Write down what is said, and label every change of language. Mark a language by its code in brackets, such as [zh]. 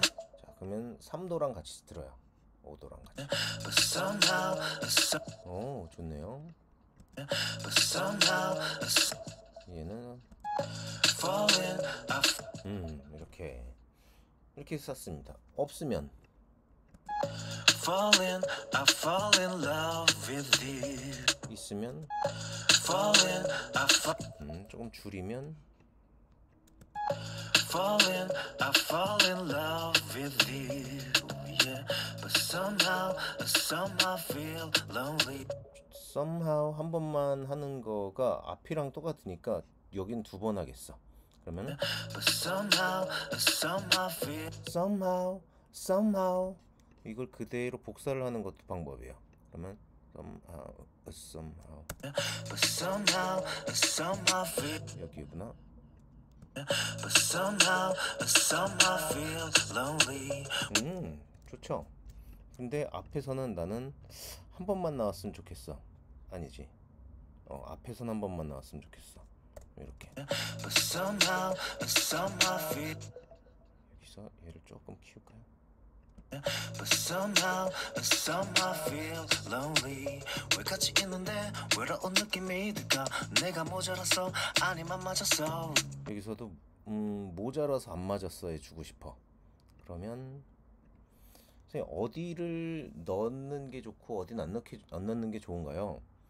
[ko] 자, 그러면 3도랑 같이 들어요. 5도랑 같이. [en] But somehow, some. [ko] 오, 좋네요. [en] But somehow, some. [ko] 얘는 [en] falling, I. [ko] 이렇게 이렇게 썼습니다. 없으면. [en] Falling, I fall in love with you. [ko] 있으면. [en] Falling, I fall. [ko] 조금 줄이면. [en] Falling, I fall in love with you. Yeah, but somehow, somehow feel lonely. [ko] Somehow 한 번만 하는 거가 앞이랑 똑같으니까 여긴 두 번 하겠어. 그러면. [en] But somehow, somehow feel. Somehow, somehow. [ko] 이걸 그대로 복사를 하는 것도 방법이에요. 그러면 [en] somehow, somehow. But somehow, somehow feel. [ko] 여기구나. [en] But somehow, somehow feel lonely. [ko] 좋죠. 근데 앞에서는 나는 한 번만 나왔으면 좋겠어. 아니지. 앞에서는 한 번만 나왔으면 좋겠어. 이렇게. [en] But somehow, somehow feel. [ko] 여기서 얘를 조금 키울까요? [en] But somehow, somehow feel lonely. [ko] 왜 같이 있는데 외로운 느낌이 들까? 내가 모자라서 아니 안 맞았어. 여기서도 모자라서 안 맞았어에 주고 싶어. 그러면 선생님 어디를 넣는 게 좋고 어디 안 넣는 게 좋은가요?